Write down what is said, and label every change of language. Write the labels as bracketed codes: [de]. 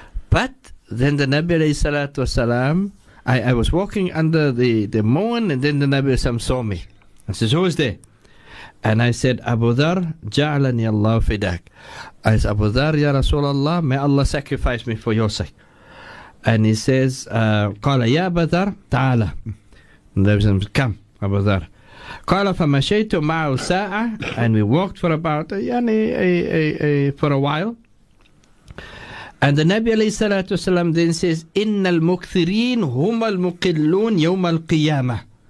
[en] But then the Nabi alayhi salatu wasalam, I was walking under the moon, and then the Nabi alayhi salatu wasalam saw me. I says, who is there? And I said, Abu Dharr, [ar] جَعْلَنِي اللَّهُ فِدَاك. [en] I said, Abu Dharr, ya Rasulallah, may Allah sacrifice me for your sake. And he says, [ar] قَالَ يَا بَذَرْ تَعَالَى. [en] And there was him, come, Abu Dharr. [ar] قَالَ فَمَشَيْتُ مَعَوْ سَاعَةً. [en] And we walked for about for a while. And the Nabi alayhi salatu wasalam then says, [ar] إِنَّ الْمُكْثِرِينَ هُمَ الْمُقِلُّونَ يَوْمَ الْقِيَامَةِ.